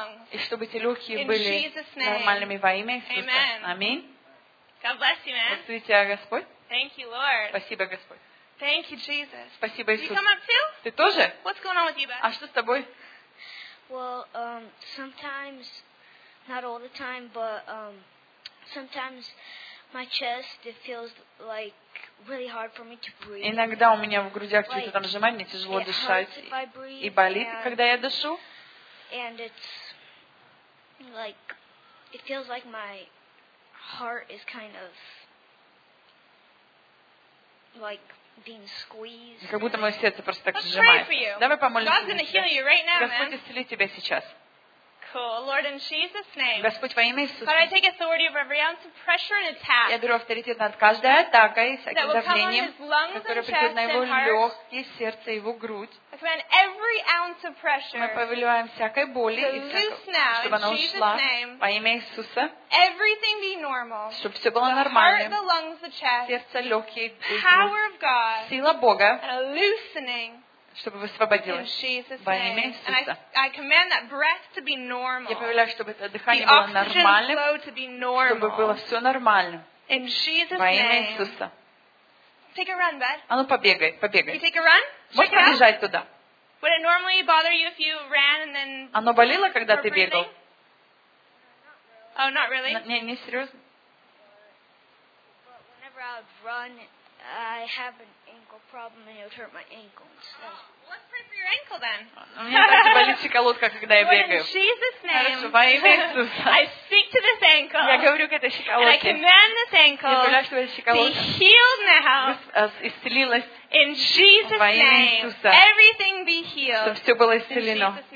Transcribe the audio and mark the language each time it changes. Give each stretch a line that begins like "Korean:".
Russian: И чтобы эти легкие были нормальными во имя Иисуса. Аминь.
English: God bless you, man.
Russian: Благодарю тебя, Господь.
English: Thank you, Lord.
Russian: Спасибо, Господь.
English: Thank you, Jesus.
Russian: Спасибо, Иисус.
English: You come up too?
Russian: Ты тоже?
English: What's going on with you, Beth?
Russian: А что с тобой?
English: Well, sometimes, not all the time, but sometimes my chest, it feels like really hard for me to breathe.
Russian: Иногда у меня в грудях что-то там сжимает, мне тяжело дышать и болит, когда я дышу.
English: And it's like it feels like my heart is kind of like being squeezed.
Russian: Как будто мое сердце просто так сжимается. Давай помолимся.
English: God's gonna heal you right now,
Russian: Господь исцелит тебя сейчас.
English: Cool. Lord, in Jesus' name.
Russian: Господь во имя Иисуса.
English: But I take authority over every ounce of pressure and attack.
Russian: Я беру авторитет над каждой атакой, всяким давлением, которое приходит на его легкие, сердце, его грудь.
English: I command every ounce of pressure.
Russian: Мы повелеваем всякой боли, чтобы она ушла во имя Иисуса.
English: Everything be normal.
Russian: Чтобы все было нормально.
English: The lungs, the chest.
Russian: Сердце, легкие, грудь.
English: Power of God.
Russian: Сила Бога.
English: And a loosening.
Russian: Чтобы высвободилось во имя Иисуса.
English: I command that breath to be normal.
Russian: Я повелеваю, чтобы это дыхание было нормальным,
English: flow to be normal.
Russian: Чтобы было все нормально во имя Иисуса.
English: Take a run, Beth.
Russian: А ну побегай, побегай.
English: You take a run?
Russian: Можешь побежать туда?
English: Would it normally bother you if you ran and then?
Russian: Оно болело, когда ты бегал?
English: Oh, not really.
Russian: Не серьезно.
English: But whenever I run, I have an ankle problem and it hurt my ankles. Let's pray for your ankle then.
Russian: У меня также болит щиколотка, когда я бегаю.
English: In Jesus' name.
Russian: Во имя Иисуса.
English: I speak to this ankle.
Russian: Я говорю к этой щиколотке.
English: And I command this ankle.
Russian: Я говорю, что эта щиколотка.
English: Be healed now.
Russian: Исцелилась.
English: In Jesus' name.
Russian: Во имя Иисуса.
English: Everything be healed.
Russian: Чтобы все было исцелено.